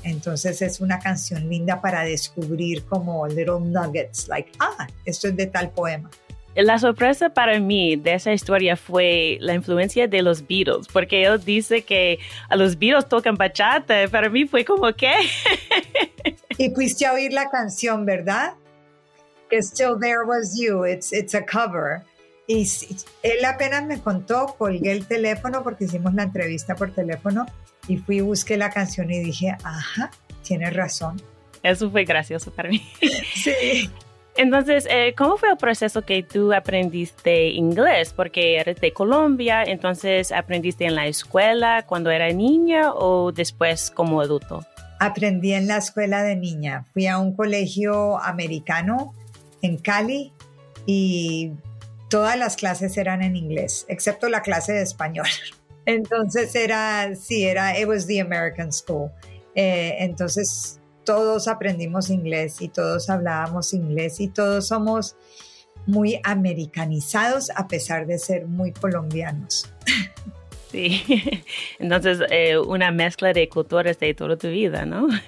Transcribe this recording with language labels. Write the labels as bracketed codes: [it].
[es] Entonces es una canción linda para descubrir como [en] little nuggets, like, [es] ah, esto es de tal poema. La sorpresa para mí de esa historia fue la influencia de los Beatles, porque él dice que a los Beatles tocan bachata. Para mí fue como, ¿qué? Y fuiste a oír la canción, ¿verdad? Que Still There Was You, [en] it's a cover. [es] Y él apenas me contó, colgué el teléfono porque hicimos la entrevista por teléfono y fui y busqué la canción y dije, ajá, tienes razón. Eso fue gracioso para mí. Sí. Entonces, ¿cómo fue el proceso que tú aprendiste inglés? Porque eres de Colombia, entonces, ¿aprendiste en la escuela cuando era niña o después como adulto? Aprendí en la escuela de niña. Fui a un colegio americano en Cali y todas las clases eran en inglés, excepto la clase de español. [en] Entonces, it was the American school. [es] Entonces, todos aprendimos inglés y todos hablábamos inglés y todos somos muy americanizados a pesar de ser muy colombianos. Sí, entonces una mezcla de culturas de toda tu vida, ¿no?